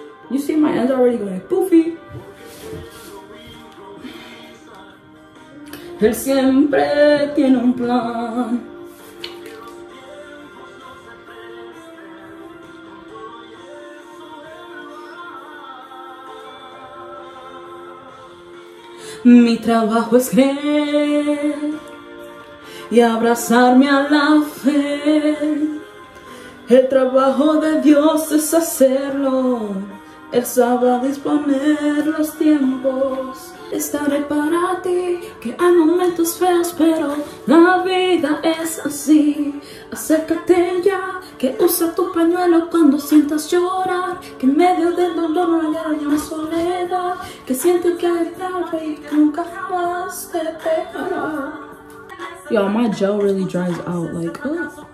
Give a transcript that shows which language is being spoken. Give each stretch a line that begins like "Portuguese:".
English: You see my ends already going poofy.
Spanish: Él siempre tiene un plan. Mi trabajo es creer y abrazarme a la fe. El trabajo de Dios es hacerlo. Él sabrá disponer los tiempos. Estaré para ti, que hay momentos feos, pero la vida es así. Acércate ya, que usa tu pañuelo cuando sientas llorar. Que en medio del dolor no hay una soledad. Que siente que hay tarde y que nunca jamás te dejará.
English: Yo, my gel really dries out, like, ugh.